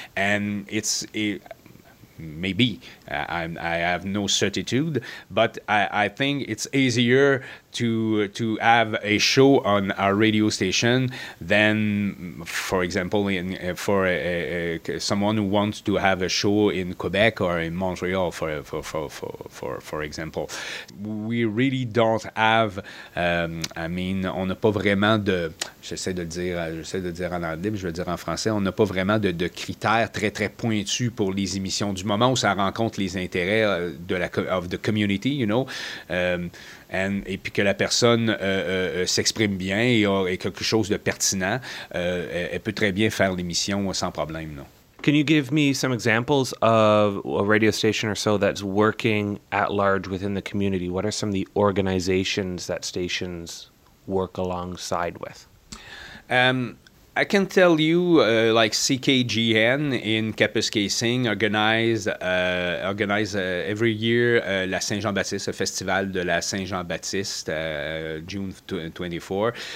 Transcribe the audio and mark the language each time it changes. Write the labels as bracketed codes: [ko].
[en] And it's maybe. I have no certitude, but I think it's easier to have a show on our radio station than, for example, for someone who wants to have a show in Quebec or in Montreal, for example. We really don't have. [fr] On n'a pas vraiment de. J'essaie de dire en anglais, mais je vais dire en français. On n'a pas vraiment de critères très très pointus pour les émissions du moment où ça rencontre les intérêts de la [en] of the community, you know, [fr] et puis que la personne s'exprime bien et ait quelque chose de pertinent, elle peut très bien faire l'émission sans problème, non. [en] Can you give me some examples of a radio station or so that's working at large within the community? What are some of the organizations that stations work alongside with? I can tell you, like CKGN in Kapuskasing organize every year La Saint-Jean-Baptiste, a festival de La Saint-Jean-Baptiste, June 24.